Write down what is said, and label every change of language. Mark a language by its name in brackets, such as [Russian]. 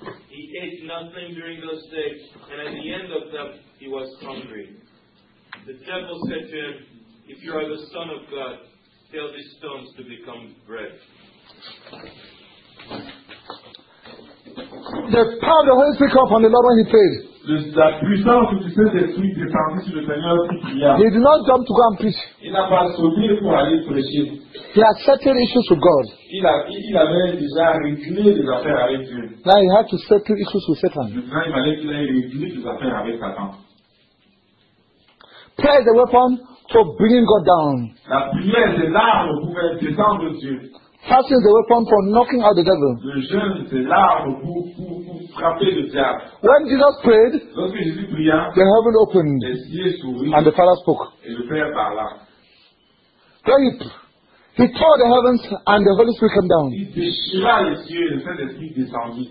[English] He ate nothing during those days, and at the end of them, he was hungry. The devil said to him, if you are the Son of God, tell these stones to become bread. the power of the Holy Spirit came upon the Lord when he prayed. [French] La puissance du Saint-Esprit descendit sur le Seigneur qui pria. [English] He did not jump to go and preach. [French] Il n'a pas sauté pour aller prêcher. [English] He had settled issues with God. [French] Il avait déjà réglé des affaires avec Dieu. [English] Now he had to settle issues with Satan. [French] Maintenant, il fallait qu'il ait réglé des affaires avec Satan. [English] Prayer is a weapon for bringing God down. [French] La prière est l'arme pour faire descendre Dieu. [English] Fasting is a weapon for knocking out the devil. [French] Le jeûne est l'arme pour frapper le diable. [English] When Jesus prayed, [French] lorsque Jésus pria, [English] the heaven opened, [French] les cieux s'ouvrirent, [English] and the Father spoke. [French] Et le Père parla. [English] Then he tore the heavens and the Holy Spirit came down. [French] Il déchira les cieux et le Saint-Esprit descendit.